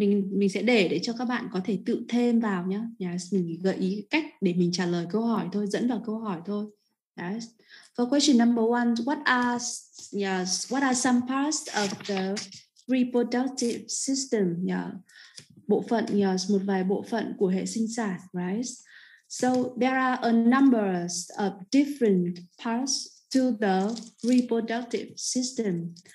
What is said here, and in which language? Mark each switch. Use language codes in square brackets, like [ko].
[vi] Mình sẽ để cho các bạn có thể tự thêm vào nhé. Yes, mình gợi ý cách để mình trả lời câu hỏi thôi, dẫn vào câu hỏi thôi. [en] Yes. For question number one, what are some parts of the reproductive system? Yeah. [vi] Bộ phận, yes, một vài bộ phận của hệ sinh sản, right? [en] So there are a number of different parts to the reproductive system.